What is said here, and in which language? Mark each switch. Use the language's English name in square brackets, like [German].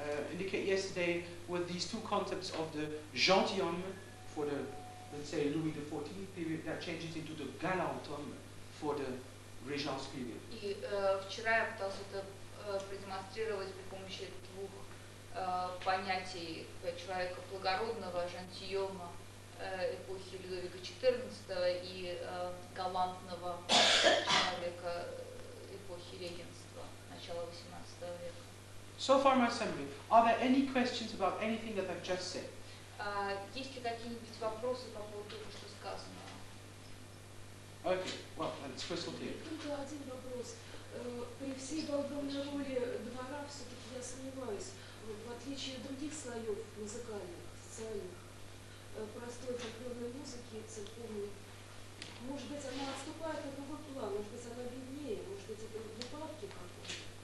[English] Indicate yesterday with these two concepts of the gentilhomme for the, let's say, Louis XIV period, that changes into the galantome for the Regence period. [Russian] И вчера я пытался это продемонстрировать при помощи двух понятий человека благородного, жантиома эпохи Людовика XIV и галантного человека эпохи регенства начала XVIII века. [English] So far my summary. Are there any questions about anything that I've just said? [Russian] Есть ли какие-нибудь вопросы по поводу того, что сказано? [English] Okay, well, then it's crystal clear. [Russian] Только один вопрос. При всей огромной роли двора, все-таки я сомневаюсь, в отличие от других слоев музыкальных, социальных, простой фольклорной музыки, церковной, может быть, она отступает от другого плана, может быть, она беднее, может быть, это выпадки какой-то.